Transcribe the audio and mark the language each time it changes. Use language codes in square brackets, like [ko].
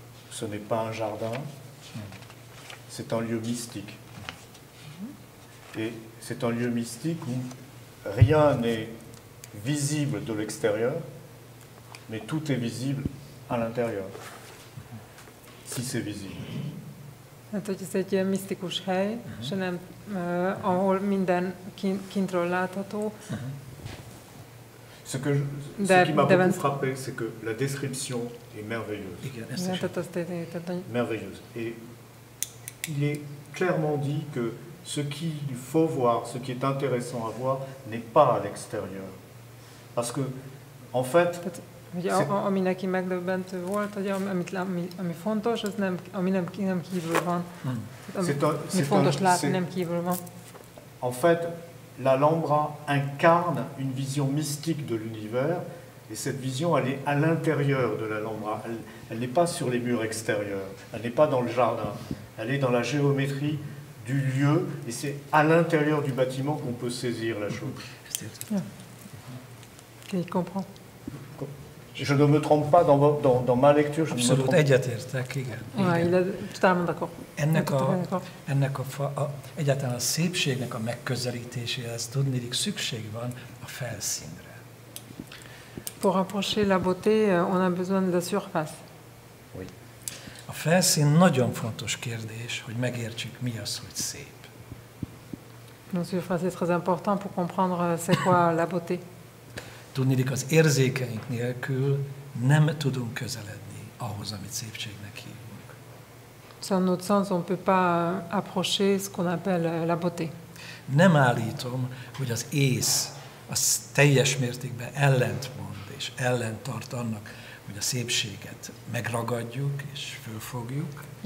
[fr] Ce n'est pas un jardin, c'est un lieu mystique. Et c'est un lieu mystique où rien n'est visible de l'extérieur, mais tout est visible à l'intérieur, si c'est visible. [hu] Tehát ez egy misztikus hely, hanem ahol minden kintről látható. [fr] Ce qui m'a beaucoup frappé, c'est que la description est merveilleuse. Merveilleuse. Et il est clairement dit que ce qu'il faut voir, ce qui est intéressant à voir, n'est pas à l'extérieur. Parce que, en fait... [hu] Ami neki megdöbbentő volt, hogy ami fontos, az nem, ami nem, nem kívül van. Ami fontos látni, nem kívül van. [fr] En fait... L'Alhambra incarne une vision mystique de l'univers, et cette vision, elle est à l'intérieur de l'Alhambra. Elle n'est pas sur les murs extérieurs, elle n'est pas dans le jardin. Elle est dans la géométrie du lieu, et c'est à l'intérieur du bâtiment qu'on peut saisir la chose. Il comprend. Je ne me trompe pas dans ma lecture, je ne me trompe [hu] pas. Egyetértek, igen. [fr] Il est totalement d'accord. [hu] Egyáltalán a szépségnek a megközelítéséhez tudnélik szükség van a felszínre. [fr] Pour approcher la beauté, on a besoin de la surface. Oui. [hu] A felszín nagyon fontos kérdés, hogy megértsük, mi az, hogy szép. [fr] La surface est très important pour comprendre c'est quoi la beauté. [hu] Tudnélik az érzékeink nélkül nem tudunk közeledni ahhoz, amit szépségnek hívunk. [fr] Sans notre sens, on peut pas approcher ce qu'on appelle la beauté. [hu] Nem állítom, hogy az ész az teljes mértékben ellentmond és ellentart annak, hogy a szépséget megragadjuk és fölfogjuk.